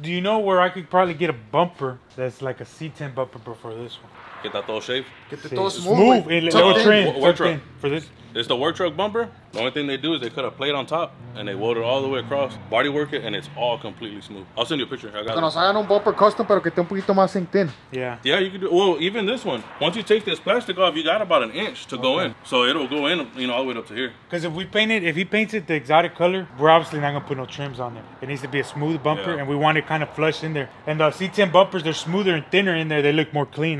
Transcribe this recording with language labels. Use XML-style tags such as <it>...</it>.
<en>Do you know where I could probably get a bumper that's like a C10 bumper for this one? Get that all shaved? Get the all smooth. Work truck. For this. It's the work truck bumper. The only thing they do is they cut a plate on top, and they weld it all the way across, body work it, and it's all completely smooth. I'll send you a picture. I got it.</en> <es>Hagan un bumper custom, pero que esté un poquito más thin.</es> <en>Yeah. Yeah, you can do. Well, even this one, once you take this plastic off, you got about an inch to go in. So it'll go in, you know, all the way up to here. Because if we paint it, if he paints it the exotic color, we're obviously not going to put no trims on there. It needs to be a smooth bumper, and we want it kind of flush in there. And the C10 bumpers, they're smoother and thinner in there. They look more clean.</en>